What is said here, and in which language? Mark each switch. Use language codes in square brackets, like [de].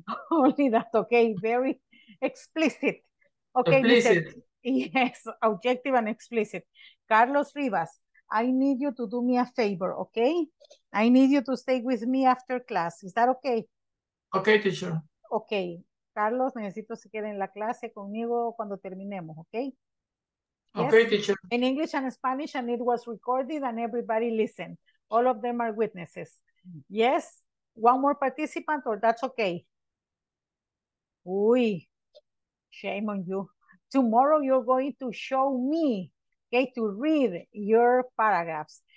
[en] Only that, okay. Very explicit. Okay. Explicit. Yes, objective and explicit. Carlos Rivas, I need you to do me a favor, okay? I need you to stay with me after class. Is that okay? Okay, teacher. Okay. [es] Carlos, necesito se quede en la clase conmigo cuando terminemos, okay? [en] Okay, yes? Teacher. In English and Spanish, and it was recorded and everybody listened. All of them are witnesses. Yes, one more participant, or that's okay. Uy, shame on you. Tomorrow you're going to show me, okay, to read your paragraphs.